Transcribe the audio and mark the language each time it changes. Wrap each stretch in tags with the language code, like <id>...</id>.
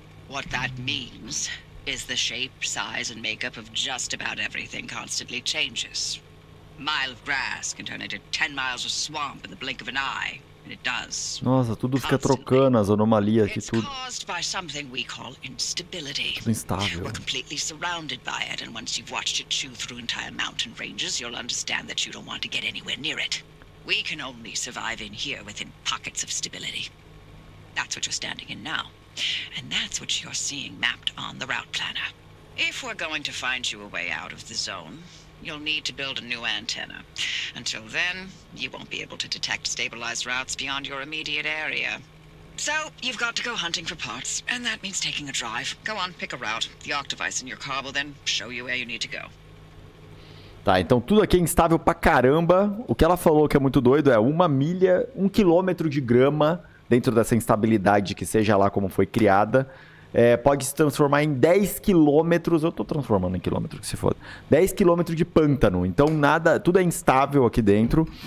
<en>What that means is the shape, size, and makeup of just about everything constantly changes. A mile of grass can turn into 10 miles of swamp in the blink of an eye, and it does.</en> <pt>Nossa, tudo fica trocando, as anomalias aqui, tudo.</pt> <en>It's caused by something we call instability.</en> <pt>Tudo instável.</pt> <en>We're completely surrounded by it, and once you've watched it chew through entire mountain ranges, you'll understand that you don't want to get anywhere near it. We can only survive in here within pockets of stability. That's what you're standing in now. And that's what you're seeing mapped on the route planner. If we're going to find you a way out of the zone, you'll need to build a new antenna. Until then, you won't be able to detect stabilized routes beyond your immediate area. So, you've got to go hunting for parts, and that means taking a drive. Go on, pick a route. The ARC device in your car will then show you where you need to go.</en> <pt>Tá, então tudo aqui é instável pra caramba. O que ela falou que é muito doido é uma milha, um quilômetro de grama dentro dessa instabilidade que seja lá como foi criada, é, pode se transformar em 10 quilômetros... Eu tô transformando em quilômetro, que se foda. 10 quilômetros de pântano. Então, nada... Tudo é instável aqui dentro.</pt>